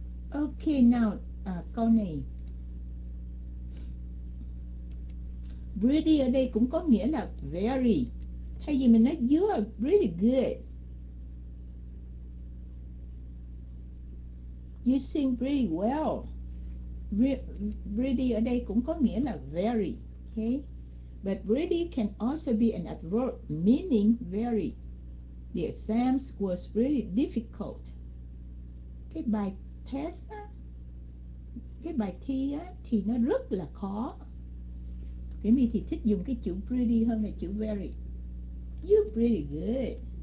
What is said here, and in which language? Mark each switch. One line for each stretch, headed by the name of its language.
Vietnamese: Okay, now câu này. Pretty ở đây cũng có nghĩa là very. Thay vì mình nói
English: you are really good, you sing pretty well.
Vietnamese: Pretty ở đây cũng có nghĩa là very. Okay.
English: But pretty can also be an adverb meaning very. The exams was really difficult.
Vietnamese: Cái bài test á, cái bài thi á thì nó rất là khó. Cái mình thì thích dùng cái chữ pretty hơn là chữ very.
English: You pretty good.